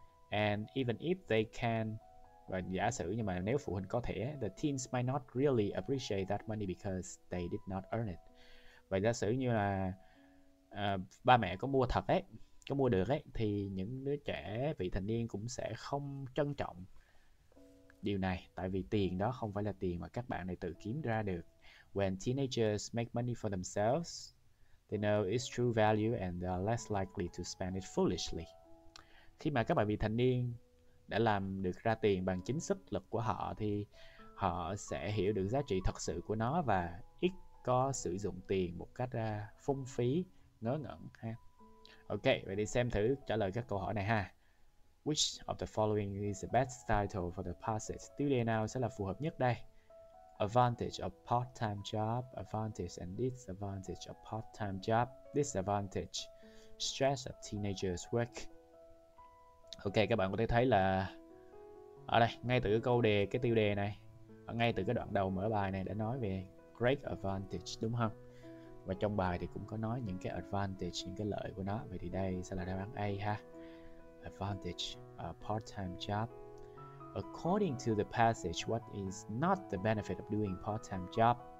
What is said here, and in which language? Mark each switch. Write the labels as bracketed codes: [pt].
[en] And even if they can, [vi] và giả sử nhưng mà nếu phụ huynh có thể, [en] the teens might not really appreciate that money because they did not earn it. [vi] Và giả sử như là ba mẹ có mua thật ấy, có mua được ấy, thì những đứa trẻ vị thành niên cũng sẽ không trân trọng điều này, tại vì tiền đó không phải là tiền mà các bạn này tự kiếm ra được. [en] When teenagers make money for themselves, they know its true value and they are less likely to spend it foolishly. [vi] Khi mà các bạn vị thành niên đã làm được ra tiền bằng chính sức lực của họ thì họ sẽ hiểu được giá trị thật sự của nó và ít có sử dụng tiền một cách phung phí, ngớ ngẩn ha. Ok, vậy thì xem thử trả lời các câu hỏi này ha. [en] Which of the following is the best title for the passage studio now [vi] sẽ là phù hợp nhất đây? [en] Advantage of part-time job, advantage and disadvantage of part-time job, disadvantage, stress of teenager's work. [vi] Ok, các bạn có thể thấy là ở đây, ngay từ cái câu đề, cái tiêu đề này, ngay từ cái đoạn đầu mở bài này đã nói về [en] great advantage, [vi] đúng không? Và trong bài thì cũng có nói những cái advantage, những cái lợi của nó. Vậy thì đây sẽ là đáp án A ha. [en] Advantage, a part-time job. According to the passage, what is not the benefit of doing part-time job?